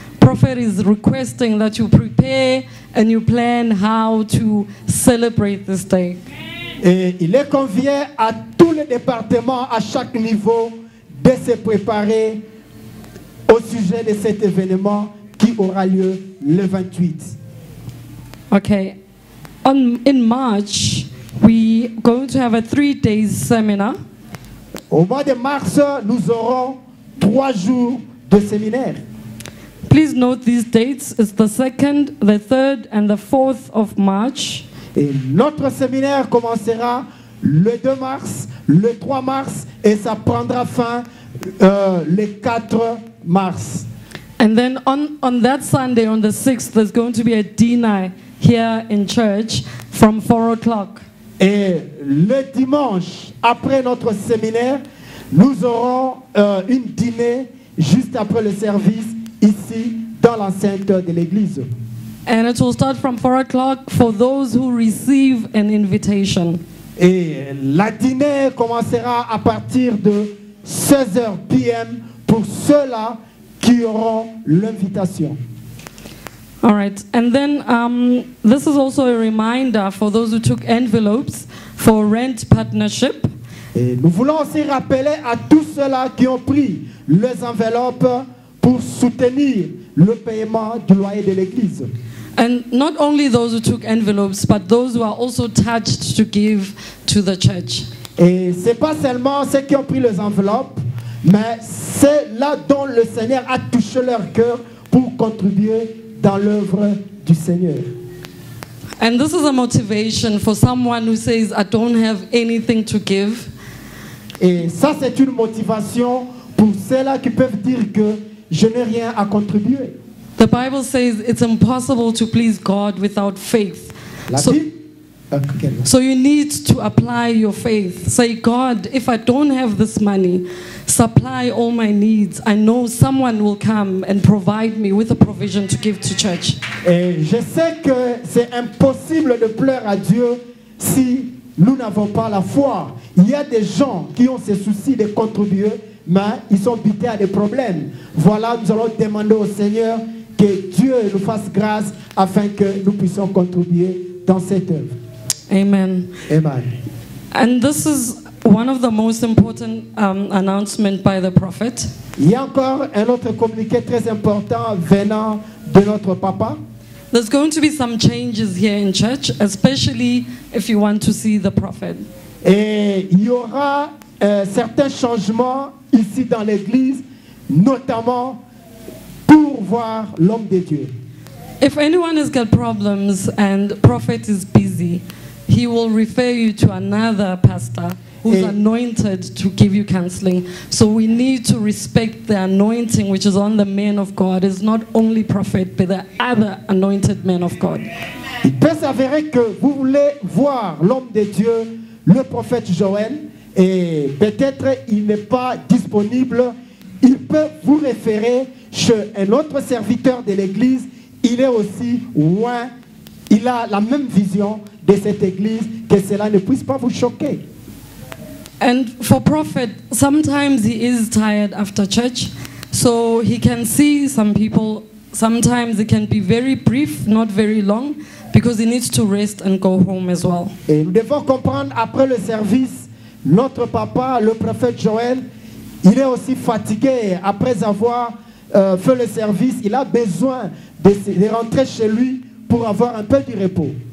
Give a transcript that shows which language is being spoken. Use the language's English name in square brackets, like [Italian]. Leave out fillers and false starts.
[English] prophet is requesting that you prepare and you plan how to celebrate this day. [French] Et il est convié à tous les départements, à chaque niveau, de se préparer au sujet de cet événement qui aura lieu le 28. [English] Okay. In March, we are going to have a 3-day seminar. [French] Au mois de mars, nous aurons 3 jours de séminaire. [English] Please note these dates. It's the 2nd, the 3rd, and the 4th of March. [French] Et notre séminaire commencera le 2 mars, le 3 mars, et ça prendra fin le 4 mars. [English] And then on that Sunday, on the 6th, there's going to be a dinner here in church from 4 o'clock. [French] Et le dimanche, après notre séminaire, nous aurons une dîner juste après le service ici dans l'enceinte de l'église. [English] And it will start from 4 o'clock for those who receive an invitation. [French] Et la dîner commencera à partir de 16h p.m. pour ceux-là qui auront l'invitation. [English] All right. And then this is also a reminder for those who took envelopes for rent partnership. [French] Et nous voulons aussi rappeler à tous ceux-là qui ont pris les enveloppes pour soutenir le paiement du loyer de l'église. [English] And not only those who took envelopes, but those who are also touched to give to the church. [French] Et c'est pas seulement ceux qui ont pris les enveloppes, mais c'est là dont le Seigneur a touché leur cœur pour contribuer dans l'œuvre du Seigneur. [English] And this is a motivation for someone who says, I don't have anything to give. [French] Et ça, c'est une motivation pour ceux-là qui peuvent dire que je n'ai rien à contribuer. [English] The Bible says it's impossible to please God without faith. So you need to apply your faith. Say, God, if I don't have this money, supply all my needs. I know someone will come and provide me with a provision to give to church. [French] Et je sais que c'est impossible de plaire à Dieu si nous n'avons pas la foi. Il y a des gens qui ont ce souci de contribuer, mais ils sont butés à des problèmes. Voilà, nous allons demander au Seigneur que Dieu nous fasse grâce afin que nous puissions contribuer dans cette œuvre. Amen. Amen. [English] And this is one of the most important announcements by the prophet. [French] Il y a encore un autre communiqué très important venant de notre papa. [English] There's going to be some changes here in church, especially if you want to see the prophet. [French] Et il y aura certains changements ici dans l'église, notamment pour voir l'homme de Dieu. [English] If anyone has got problems and prophet is busy, he will refer you to another pastor who's anointed to give you counseling. So we need to respect the anointing which is on the men of God. It's not only prophet, but the other anointed men of God. [French] Il peut s'avérer que vous voulez voir l'homme de Dieu, le prophète Joël, et peut-être il n'est pas disponible. Il peut vous référer chez un autre serviteur de l'église. Il est aussi loin. Il a la même vision de cette église, que cela ne puisse pas vous choquer. [English] And for prophet, sometimes he is tired after church, so he can see some people. Sometimes it can be very brief, not very long, because he needs to rest and go home as well. [French] Et nous devons comprendre, après le service, notre papa, le prophète Joël, il est aussi fatigué. Après avoir fait le service, il a besoin de rentrer chez lui pour avoir un peu de repos.